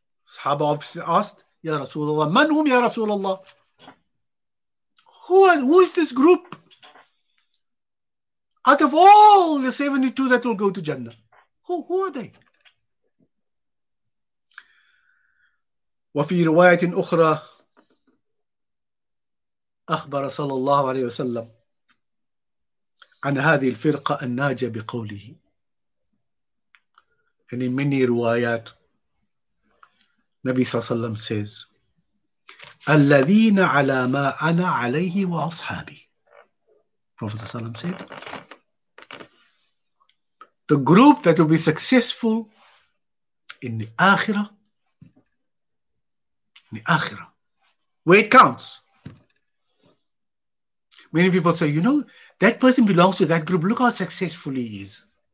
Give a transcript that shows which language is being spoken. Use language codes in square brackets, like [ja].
[en] Sahaba asked, Ya Rasulullah, man whom, Ya Rasulullah? Who is this group? Out of all the 72 that will go to Jannah, who are they? [ar] وفي رواية أخرى أخبر صلى الله عليه وسلم عن هذه الفرقة الناجية بقوله. [en] And in many [ar] روايات نبي صلى الله عليه وسلم [en] says [ar] الذين على ما أنا عليه وأصحابي. [en] Prophet صلى الله عليه وسلم said the group that will be successful in the Akhirah. The Akhirah, where it counts. Many people say, you know, that person belongs to that group. Look how successful he is.